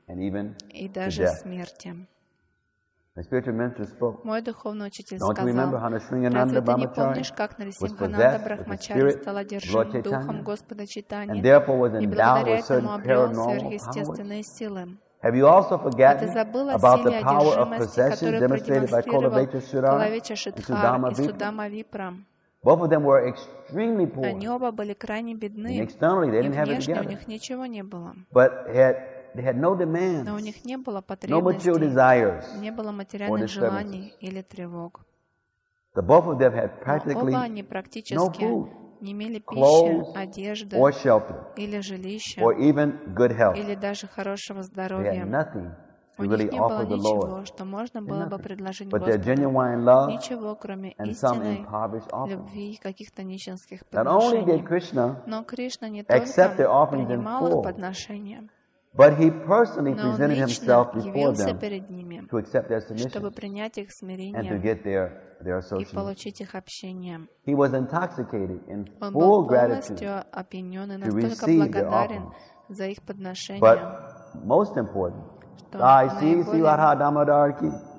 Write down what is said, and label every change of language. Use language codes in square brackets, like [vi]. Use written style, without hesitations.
[en] and even [ru] и даже смерти. [en] My spiritual mentor spoke. [ru] Мой духовный учитель сказал, разве ты не помнишь, как Нарисимхананда Брахмачари стал одержим духом Господа Читания и благодаря этому обрел сверхъестественные силы? [en] Have you also forgotten about the power of possession demonstrated by Kulavecha Sudama and Sudama Vipra? Both of them were extremely poor. [ru] Они оба были крайне бедны. [en] And externally, they didn't have it together. [ru] У них ничего не было. [en] They had no demands, [ru] но у них не было потребностей, не было материальных желаний или тревог. [en] The both of them had practically [ru] оба они практически [en] no food, [ru] не имели [en] clothes, [ru] пищи, одежды [en] or shelter, [ru] или жилища, or even good health. Или даже хорошего здоровья. They had nothing У них не было ничего, что можно было бы предложить Господу. Ничего, кроме истинной любви и каких-то нищенских подношений. Но Кришна не только принимал их подношения, [en] but he personally presented himself before them [ru] ними, [en] to accept their submission and to get their association. He was intoxicated in full gratitude to receive their offering. But most important, I see Sivarha Damodarki.